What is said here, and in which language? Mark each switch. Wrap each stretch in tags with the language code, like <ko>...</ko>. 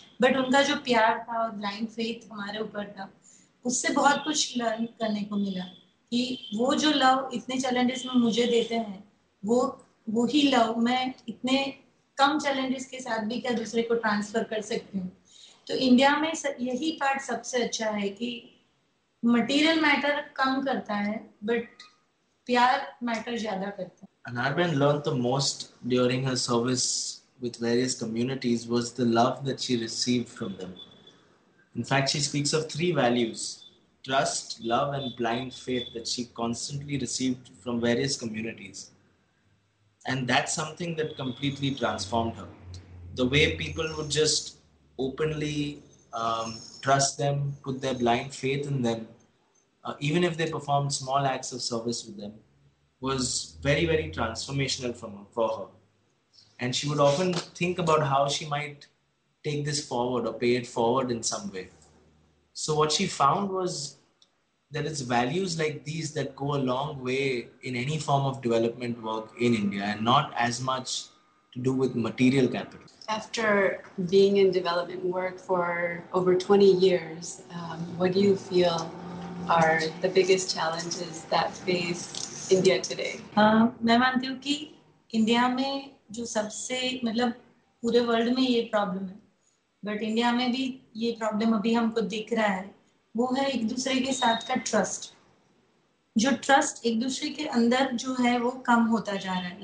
<hi>But उनका जो प्यार था और ब्लाइंड फेथ हमारे ऊपर था, उससे बहुत कुछ लर्न करने को मिला कि वो जो लव इतने चैलेंजेस में मुझे देते हैं, वो ही लव मैं इतने कम चैलेंजेस के साथ भी क्या दूसरे को ट्रांसफर कर सकती हूँ। तो इंडिया में यही पार्ट सबसे अच्छा है कि मटेरियल मैटर कम करता है बट प्यार मैटर ज्यादा करता है।</hi> <en>Anarben learned the most during her service with various communities was the love that she received from them. In fact, she speaks of three values: trust, love, and blind faith that she constantly received from various communities. And that's something that completely transformed her. The way people would just openly trust them, put their blind faith in them, even if they performed small acts of service with them, was very, very transformational for her. And she would often think about how she might take this forward or pay it forward in some way. So what she found was that it's values like these that go a long way in any form of development work in India, and not as much to do with material capital. After being in development work for over 20 years, what do you feel are the biggest challenges that face India today?</en> <hi>मैं मानती हूँ कि India में जो सबसे मतलब पूरे world में ये प्रॉब्लम है, बट इंडिया में भी ये प्रॉब्लम अभी हमको दिख रहा है, वो है एक दूसरे के साथ का ट्रस्ट। जो ट्रस्ट एक दूसरे के अंदर जो है वो कम होता जा रहा है।</hi>